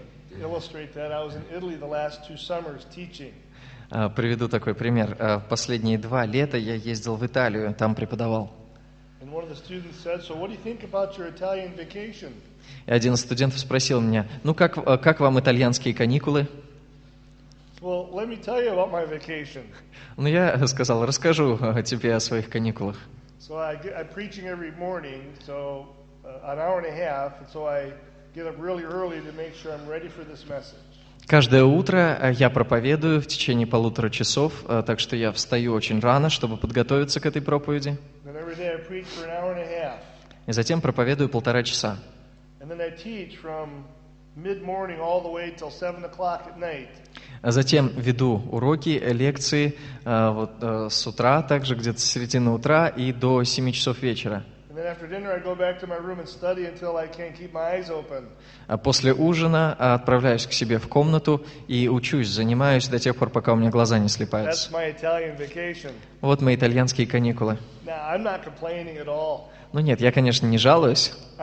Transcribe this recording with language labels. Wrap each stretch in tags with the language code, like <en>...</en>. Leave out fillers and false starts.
<ru>Приведу такой пример. Последние два лета я ездил в Италию, там преподавал. И один из студентов сказал:</ru> <en>«So what do you think about your Italian vacation?»</en> <ru>И один из студентов спросил меня: «Ну, как вам итальянские каникулы?»</ru> <en>Well, let me tell you about my vacation.</en> <ru>Ну, я сказал: «Расскажу тебе о своих каникулах».</ru> <en>So I'm preaching every morning, so an hour and a half, and so I get up really early to make sure I'm ready for this message.</en> <ru>Каждое утро я проповедую в течение полутора часов, так что я встаю очень рано, чтобы подготовиться к этой проповеди.</ru> <en>And every day I preach for an hour and a half.</en> <ru>И затем проповедую полтора часа.</ru> <en>And then I teach from mid-morning all the way till 7 o'clock at night.</en> <ru>А затем веду уроки, лекции с утра, также где-то с середины утра и до 7 часов вечера.</ru> <en>And then after dinner I go back to my room and study until I can't keep my eyes open.</en> <ru>А после ужина отправляюсь к себе в комнату и учусь, занимаюсь до тех пор, пока у меня глаза не слипаются.</ru> <en>That's my Italian vacation.</en> <ru>Вот мои итальянские каникулы.</ru> <en>Now, I'm not complaining at all.</en> <ru>Ну нет, я, конечно, не жалуюсь.</ru>